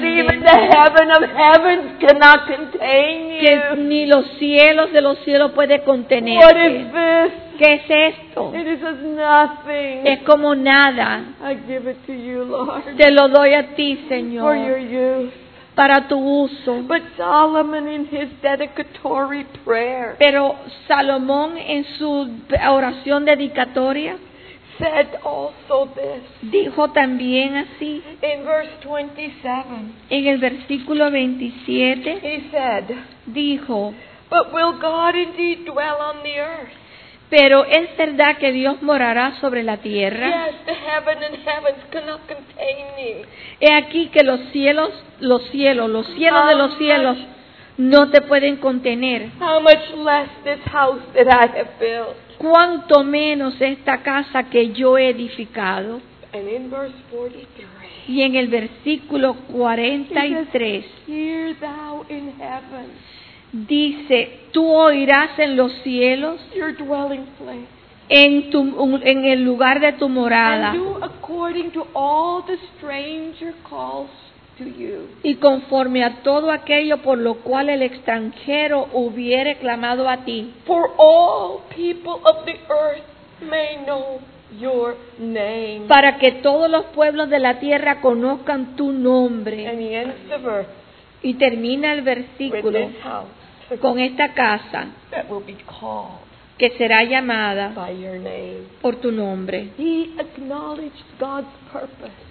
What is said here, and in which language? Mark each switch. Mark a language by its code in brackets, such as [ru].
[en] That even the heaven of heavens cannot contain you. [es] Que ni los cielos de los cielos puede contenerte. [en] What is this? [es] ¿Qué es esto? [en] It is as nothing. [es] Es como nada. [en] I give it to you, Lord. [es] Te lo doy a ti, Señor. [en] For your use. [es] Para tu uso. [en] But Solomon in his dedicatory prayer. [es] Pero Salomón en su oración dedicatoria [en] said also this. [es] Dijo también así. [en] In verse 27. [es] En el versículo 27. [en] He said. [es] Dijo. [en] But will God indeed dwell on the earth? [es] Pero ¿es verdad que Dios morará sobre la tierra? [en] Yes, the heaven and heavens cannot contain me. [es] He aquí que los cielos de los cielos no te pueden contener. [en] How much less this house that I have built. [es] ¿Cuánto menos esta casa que yo he edificado? [en] And in verse 43, [es] y en el versículo 43 [en] hear thou in heaven. [es] Dice, tú oirás en los cielos, [en] your dwelling place, [es] en el lugar de tu morada, [en] and do according to all the stranger calls to you. [es] Y conforme a todo aquello por lo cual el extranjero hubiere clamado a ti. [en] For all people of the earth may know your name. [es] Para que todos los pueblos de la tierra conozcan tu nombre. [en] And he ends the verse. [es] Y termina el versículo [en] with this house, [es] con esta casa [en] that will be called [es] que será llamada [en] by your name. [es] Por tu nombre. [en] He acknowledged God's purpose.